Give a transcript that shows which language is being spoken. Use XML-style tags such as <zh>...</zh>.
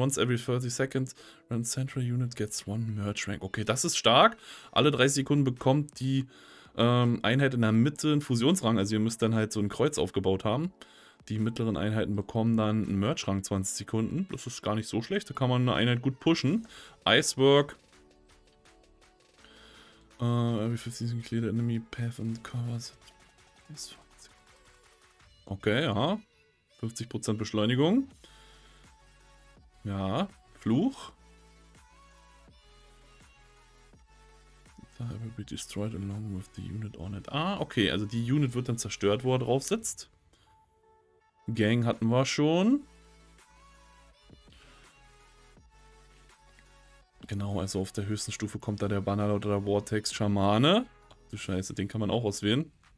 <en>Once every 30 seconds. Random central unit gets one merge rank. Okay,</en> <de>das ist stark. Alle 30 Sekunden bekommt die Einheit in der Mitte einen Fusionsrang. Also ihr müsst dann halt so ein Kreuz aufgebaut haben. Die mittleren Einheiten bekommen dann einen Merge-Rang 20 Sekunden. Das ist gar nicht so schlecht. Da kann man eine Einheit gut pushen.</de> <en>Icework. Every 15 clear the enemy path and covers it. Okay, ja.</en> <de>50% Beschleunigung. Ja, Fluch.</de> <en>Will be destroyed along with the unit on it. Ah, okay.</en> <de>Also die Unit wird dann zerstört, wo er drauf sitzt. Gang hatten wir schon. Genau, also auf der höchsten Stufe kommt da der Bannerlord oder der Vortex-Schamane. Ach du Scheiße, den kann man auch auswählen.</de>